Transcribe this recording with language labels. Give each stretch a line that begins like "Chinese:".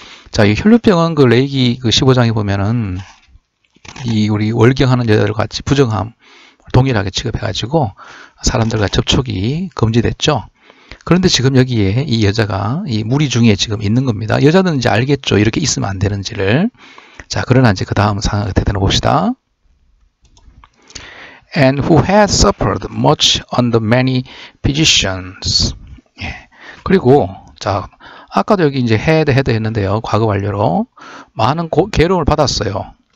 Korean: 자, 이 혈루병은 그 레위기 그 15장에 보면은 이 우리 월경하는 여자들 같이 부정함 동일하게 취급해가지고 사람들과 접촉이 금지됐죠. 그런데 지금 여기에 이 여자가 이 무리 중에 지금 있는 겁니다. 여자는 이제 알겠죠. 이렇게 있으면 안 되는지를. 자, 그러나 이제 그 다음 상황을 대단해 봅시다.
English: And who had suffered much under many physicians.
Korean: 예. 그리고, 자, 아까도 여기 이제 had 했는데요. 과거 완료로. 많은 괴로움을 받았어요.